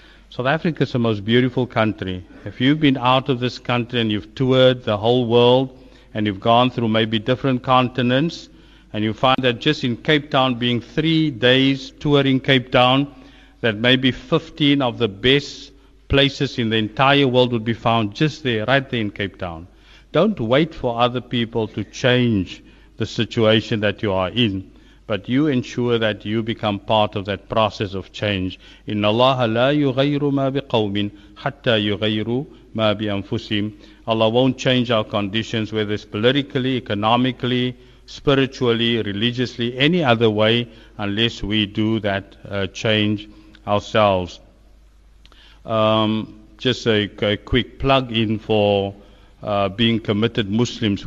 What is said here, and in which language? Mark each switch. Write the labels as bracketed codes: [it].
[en] South Africa is the most beautiful country. If you've been out of this country and you've toured the whole world and you've gone through maybe different continents, and you find that just in Cape Town, being 3 days touring Cape Town, that maybe 15 of the best places in the entire world would be found just there, right there in Cape Town. Don't wait for other people to change the situation that you are in, but you ensure that you become part of that process of change. [ar] إن الله لا يغير ما بقوم حتى يغير ما بأنفسهم. [en] Allah won't change our conditions, whether it's politically, economically, spiritually, religiously, any other way, unless we do that change ourselves. Just a quick plug in for being committed Muslims.